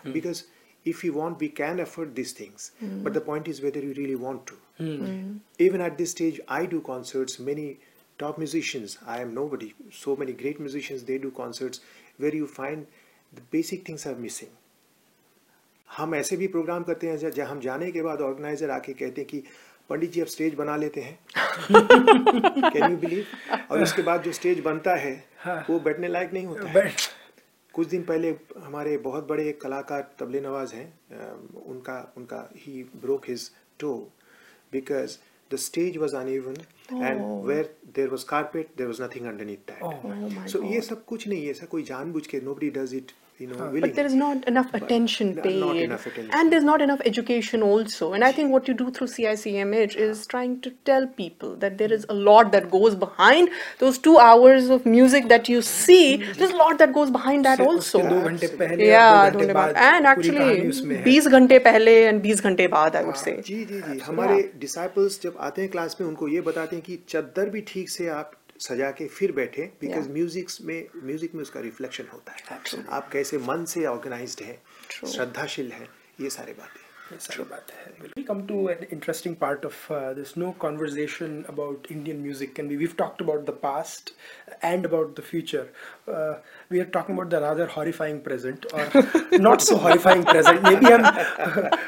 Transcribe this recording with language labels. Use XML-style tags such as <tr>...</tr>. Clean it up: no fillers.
<en>Because if you want, we can afford these things, but the point is whether you really want to. Even at this stage, I do concerts, many top musicians, I am nobody, so many great musicians, they do concerts where you find the basic things are missing.</en> <hi>हम ऐसे भी programme करते हैं जहां हम जाने के बाद ऑर्गेनाइजर आके कहते हैं कि पंडित जी अब स्टेज बना लेते हैं.</hi> <en>Can you believe.</en> <hi>और उसके बाद जो स्टेज बनता है वो बैठने लायक नहीं होता है। कुछ दिन पहले हमारे बहुत बड़े कलाकार तबले नवाज हैं, उनका उनका he</hi> <en>Broke his toe because the stage was uneven and where there was carpet there was nothing underneath that.</en> <hi>सो ये सब कुछ नहीं है, सब कोई जानबूझ के,</hi> <en>Nobody does it, you know, but there is not enough attention paid, not enough attention. And there's not enough education also. And I think what you do through CICMH is trying to tell people that there is a lot that goes behind those 2 hours of music that you see. There's a lot that goes behind that also. And actually</en> <hi>20 ghante pehle</hi> <en>and</en> <hi>20 ghante baad,</hi> <en>I would say.</en> <hi>Hamare disciples jab aate hain class mein, unko ye batate hain ki chadar bhi theek se aap सजा के फिर बैठे, because music में उसका reflection होता है।</hi> <en>Absolutely.</en> <hi>आप कैसे मन से ऑर्गेनाइज्ड हैं, श्रद्धाशील हैं, ये सारे बातें</hi> <en>We come to an interesting part of this no conversation about Indian music. And we've talked about the past and about the future. We are talking about the rather horrifying present or not so horrifying present.</en>